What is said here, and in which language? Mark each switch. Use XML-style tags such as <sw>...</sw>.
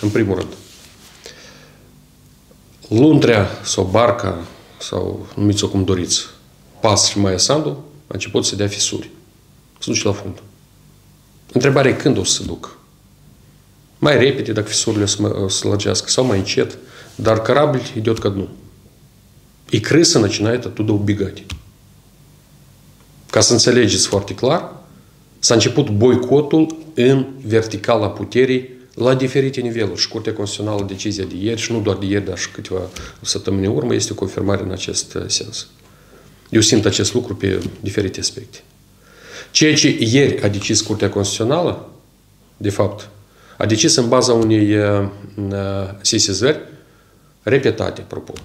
<ro>În primul rând, Luntrea sau Barca, sau numiți-o cum doriți, PAS și Maia Sandu, a început să dea fisuri, să duce la fund. Întrebarea e când o să se duc? Mai repede, dacă fisurile o să lăgească, sau mai încet, dar</ro> <ru>corabl ide ca dnu. И крыса начинает оттуда убегать.</ru> <ro>Ca să înțelegeți foarte clar, s-a început boicotul în verticala puterii la diferite niveluri. Și Curtea Constituțională, decizia de ieri, și nu doar de ieri, dar și câteva săptămâni urmă, este o confirmare în acest sens. Eu simt acest lucru pe diferite aspecte. Ceea ce ieri a decis Curtea Constituțională, de fapt, a decis în baza unei sesizări, repetate, apropo.</ro>